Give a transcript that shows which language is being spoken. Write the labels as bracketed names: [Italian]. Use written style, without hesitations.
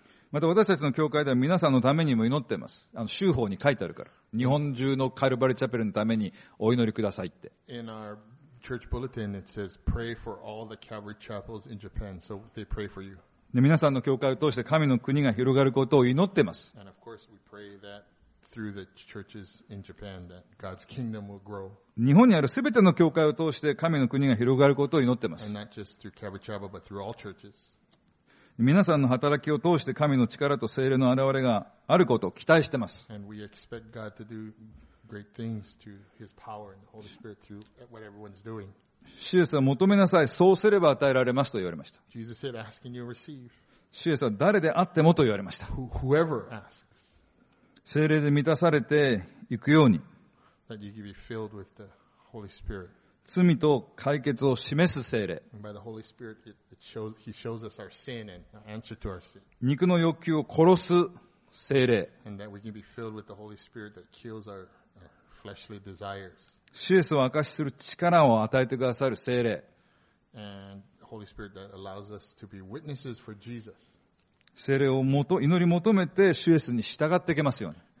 [Japanese] また私たちの教会では皆さんのためにも祈っています。あの修法に書いてあるから、日本中のカルバリチャペルのためにお祈りくださいって。 [English] In our church bulletin it says pray for all the Calvary chapels in Japan, so they pray for you. [Japanese] で皆さんの教会を通して神の国が広がることを祈っています。 [English] And of course we pray that through the churches in Japan that God's kingdom will grow. [Japanese] 日本にある全ての教会を通して神の国が広がることを祈っています。 [English] And not just through Calvary Chapel but through all churches. [Japanese] 皆さんの働きを通して神の力と聖霊の現れがあることを期待しています。 [English] And we expect God to do great things to his power and the Holy Spirit through what everyone's doing. [Japanese] シエスは求めなさい、そうすれば与えられますと言われました。 [English] Jesus said, ask and you'll receive. [Japanese] シエスは誰であってもと言われました。 [English] Whoever asks. [Japanese] 聖霊で満たされていくように、 [English] that you can be filled with the Holy Spirit. [Japanese] 罪と解決を示す聖霊、 [English] and by the Holy Spirit, he shows us our sin and the answer to our sin. [Japanese] 肉の欲求を殺す聖霊、 [English] and that we can be filled with the Holy Spirit that kills our fleshly desires. [Japanese] シエスを明かしする力を与えてくださる聖霊、 [English] and Holy Spirit that allows us to be witnesses for Jesus. [Japanese] 聖霊を祈り求めて主イエスに従っていけますように。